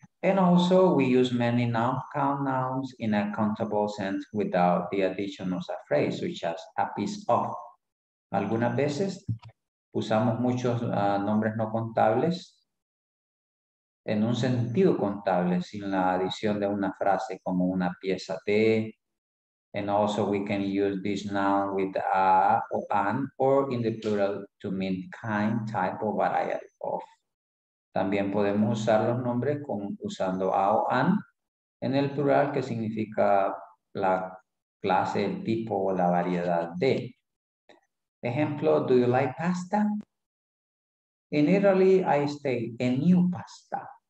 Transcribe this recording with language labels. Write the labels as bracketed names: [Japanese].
[English] And also we use many noun count nouns in a countable sense without the addition of a phrase, such as a piece of. [Spanish] Algunas veces usamos muchos nombres no contables en un sentido contable, sin la adición de una frase como una pieza de. [English] And also we can use this noun with a or an or in the plural to mean kind, type or variety of. [Spanish] También podemos usar los nombres usando a o an en el plural que significa la clase, el tipo o la variedad de. [English] Ejemplo, do you like pasta? In Italy I say a new pasta.